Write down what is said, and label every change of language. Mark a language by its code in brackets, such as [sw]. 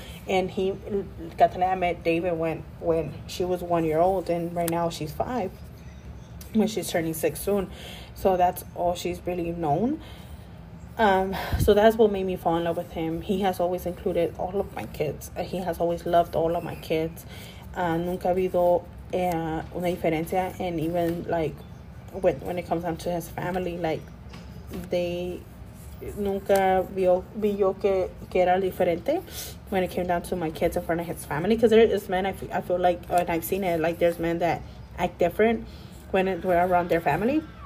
[en] And he, Katana met David when she was 1 year old, and right now she's 5, when she's turning 6 soon. So that's all she's really known. So that's what made me fall in love with him. He has always included all of my kids. He has always loved all of my kids. [es] Nunca ha habido una diferencia. [en] And even like when it comes down to his family, like they [es] nunca vi yo que era diferente [en] when it came down to my kids in front of his family. Because there is men, I feel like, and I've seen it, like there's men that act different when we're around their family.